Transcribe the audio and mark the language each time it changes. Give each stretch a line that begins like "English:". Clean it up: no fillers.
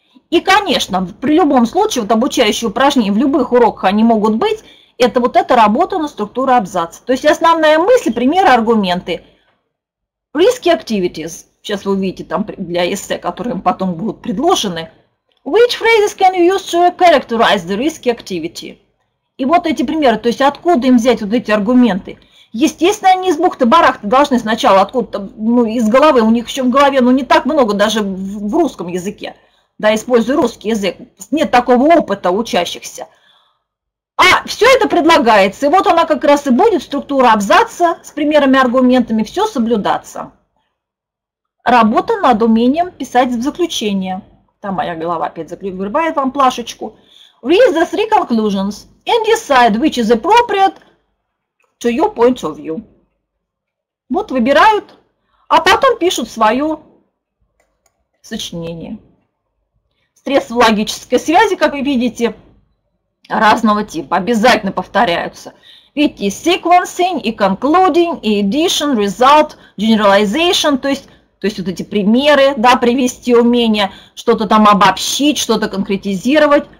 Russian: И, конечно, при любом случае, вот обучающие упражнения, в любых уроках они могут быть, это вот эта работа на структуру абзаца. То есть основная мысль, примеры, аргументы.
English: Risky activities.
Russian: Сейчас вы увидите там для эссе, которые им потом будут предложены.
English: Which phrases can you use to characterize the risky activity?
Russian: И вот эти примеры, то есть откуда им взять вот эти аргументы? Естественно, они из бухты-барахты должны сначала откуда-то, ну, из головы, у них еще в голове, ну, не так много даже в русском языке. да, используя русский язык, нет такого опыта учащихся. А все это предлагается, и вот она как раз и будет, структура абзаца с примерами, аргументами, все соблюдаться. Работа над умением писать в заключение. Там моя голова опять вырывает вам плашечку.
English: Read the three conclusions and decide which is appropriate to your point of view.
Russian: Вот выбирают, а потом пишут свое сочинение. Средства логической связи, как вы видите, разного типа, обязательно повторяются. Видите, sequencing, и concluding, и addition, result, generalization, то есть вот эти примеры, да, привести умение, что-то там обобщить, что-то конкретизировать.